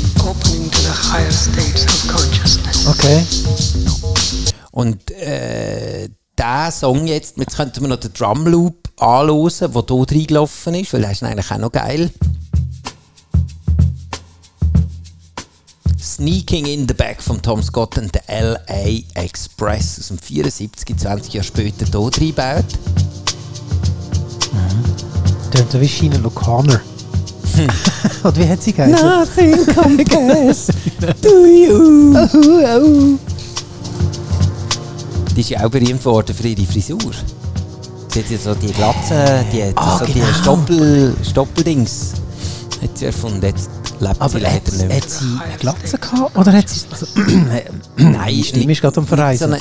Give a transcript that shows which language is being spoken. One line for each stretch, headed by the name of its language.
English: Opening to the higher states of consciousness. Okay.
German: Und der Song jetzt, jetzt könnten wir noch den Drumloop anhören, der hier reingelaufen ist, weil der ist eigentlich auch noch geil. Sneaking in the Back von Tom Scott und der LA Express aus dem 74, 20 Jahre später hier reinbaut. Mhm. Das ist Sheena O'Connor. Oder wie hat sie geheißen?
English: Nothing compares to you. Oh, oh.
German: Die ist ja auch berühmt worden für ihre Frisur. Sie hat ja so die Glatze, die Stoppeldings. Hat sie erfunden, jetzt lebt aber sie leider nicht mehr. Hat sie eine Glatze gehabt? Oder hat sie. Also, nein, ist nicht. Ist gerade am Verreisen.